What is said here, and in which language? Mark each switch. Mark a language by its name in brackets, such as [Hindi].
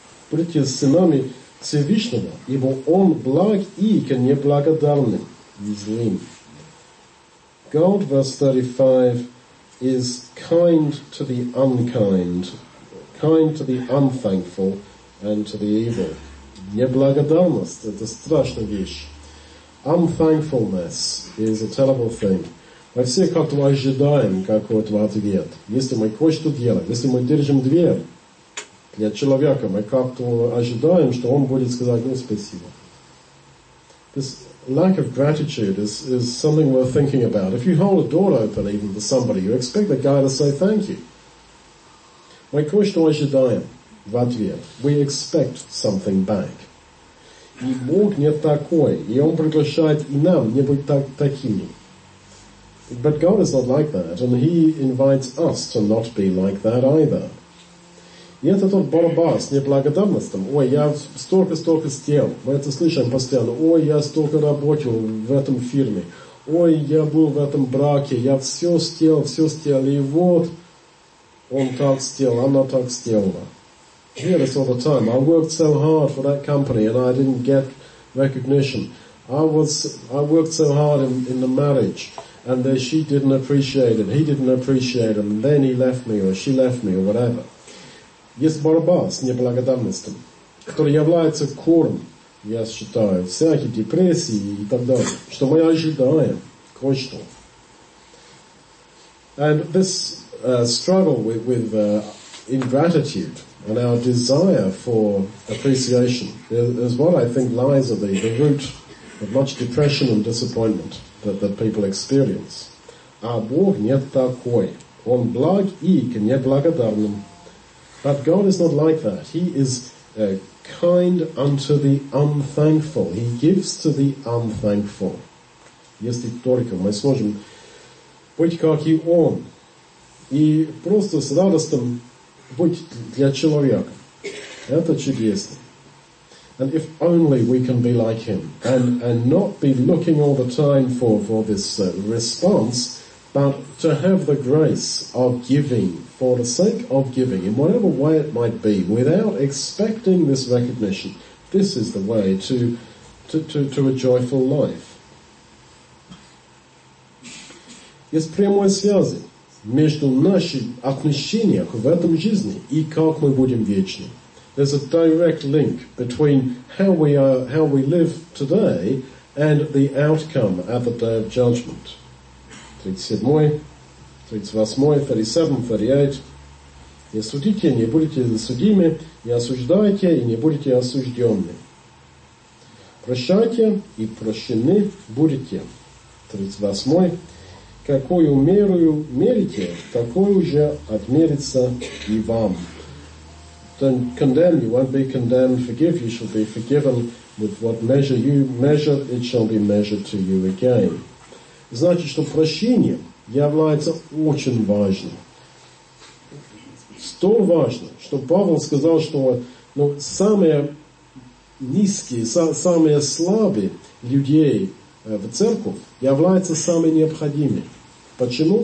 [Russian] Будьте сынами Всевышнего, ибо Он благ и к неблагодарным и злым. [English] God, verse 35, is kind to the unkind, kind to the unthankful, and to the evil. [Russian] Неблагодарность — это страшная вещь. [English] Unthankfulness is a terrible thing. [Russian] Мы все как-то ожидаем какого-то ответа. Если мы кое-что делаем, если мы держим дверь для человека, мы как-то ожидаем, что он будет сказать, ну, спасибо. [English] This lack of gratitude is something worth thinking about. If you hold a door open even to somebody, you expect the guy to say thank you. [Russian] Мы кое-что ожидаем в ответ. [English] We expect something back. [Russian] И Бог не такой, и Он приглашает и нам не быть такими. [English] But God is not like that, and He invites us to not be like that either. [Russian] И это тот борьба с неблагодарностью. Ой, я столько сделал. Мы это слышим постоянно. Ой, я столько работал в этом фирме. Ой, я был в этом браке. Я все сделал. И вот он так сделал, она так сделала. [English] I hear this all the time. I worked so hard for that company, and I didn't get recognition. I worked so hard in the marriage, and then she didn't appreciate it, he didn't appreciate it, and then he left me, or she left me, or whatever. [Russian] Есть борьба с неблагодарностью, которая является корнем, я считаю, всякой депрессии и так далее, что мы ожидаем кое-что. [English] And this struggle with ingratitude and our desire for appreciation is what I think lies at the root of much depression and disappointment that people experience. [Russian] А Бог не такой. Он благ и к неблагодарным. [English] But God is not like that. He is kind unto the unthankful. He gives to the unthankful. [Russian] Если только мы сможем быть как и Он. И просто с радостным быть для человека. Это чудесно. [English] And if only we can be like him, and not be looking all the time for this response, but to have the grace of giving, for the sake of giving, in whatever way it might be, without expecting this recognition, this is the way to a joyful life. [Russian] Есть прямой связи между нашим отношением в этом жизни и как мы будем вечны. [English] There's a direct link between how we live today and the outcome at the Day of Judgment. [Russian] 38, 37, 38. Какую мерою мерите, такой уже отмерится и вам. [English] Don't condemn, you won't be condemned. Forgive, you shall be forgiven. With what measure you measure, it shall be measured to you again. [Russian] Значит, что прощение является очень важным. Столь важно, что Павел сказал, что Но самые низкие, самые слабые людей в церковь являются самыми необходимыми. Почему?